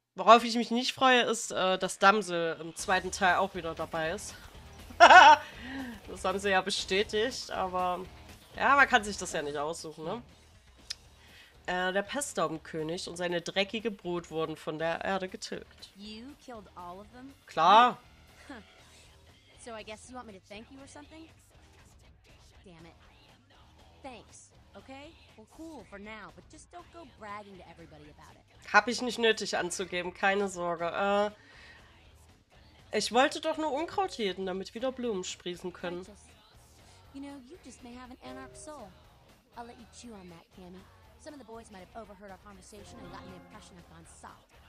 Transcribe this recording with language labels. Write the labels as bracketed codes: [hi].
[de] Worauf ich mich nicht freue, ist, dass Damsel im zweiten Teil auch wieder dabei ist. Das haben sie ja bestätigt, aber... Ja, man kann sich das ja nicht aussuchen, ne? Der Pestdaumkönig und seine dreckige Brut wurden von der Erde getilgt. [en] You killed all of them? [de] Klar. [en] So I guess you want me to thank you or something? Damn it. Thanks. Okay? Well, cool for now, but just don't go bragging to everybody about it. [de] Hab ich nicht nötig anzugeben, keine Sorge. Ich wollte doch nur Unkraut jäten, damit wieder Blumen sprießen können. [en] You know, you just may have an anarch soul. I'll let you chew on that, Cammy. Some of the boys might have overheard our conversation and gotten the impression I've gone soft.